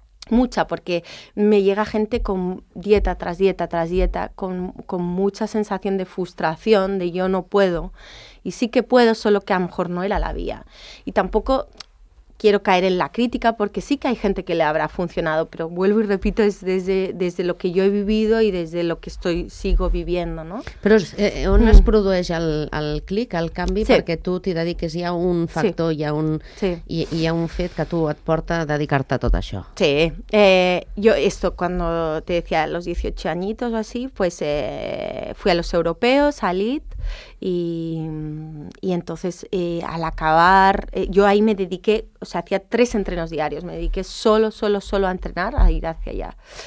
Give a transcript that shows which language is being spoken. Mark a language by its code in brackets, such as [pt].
[es] Mucha, porque me llega gente con dieta tras dieta tras dieta, con mucha sensación de frustración, de yo no puedo, y sí que puedo, solo que a lo mejor no era la vía. Y tampoco quiero caer en la crítica, porque sí que hay gente que le habrá funcionado, pero vuelvo y repito, es desde lo que yo he vivido y desde lo que sigo viviendo, ¿no? [ca] Però on es produeix el clic, el canvi, sí. Perquè tu t'hi dediques, hi ha un factor, sí. Hi ha un fet que tu et porta a dedicar-te a tot això. [es] Sí, esto, cuando te decía los 18 añitos o así, pues fui a los europeos, a LID, y entonces al acabar, yo ahí me dediqué, o sea, hacía 3 entrenos diarios, me dediqué solo a entrenar, a ir hacia allá.